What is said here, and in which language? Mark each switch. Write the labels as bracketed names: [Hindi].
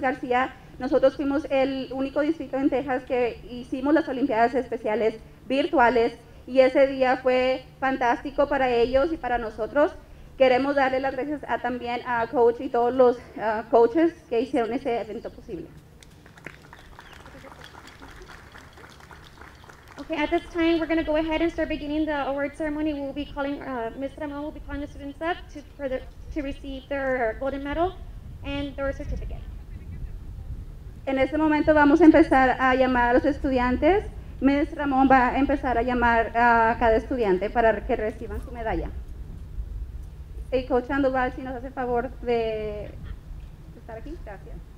[Spanish] García, nosotros fuimos el único distrito en Texas que hicimos las Olimpiadas Especiales virtuales, y ese día fue fantástico para ellos y para nosotros. Queremos darle las gracias también a Coach y todos los coaches que hicieron ese evento posible. [English] Okay, at this time we're going to go ahead and start beginning the award ceremony. We'll be calling Ms. Ramon will be calling the students up to receive their golden medal and their certificate. [Spanish] En este momento vamos a empezar a llamar a los estudiantes. Ms. Ramon va a empezar a llamar a cada estudiante para que reciban su medalla. Hey, Coach Sandoval, si nos hace el favor de estar aquí, gracias.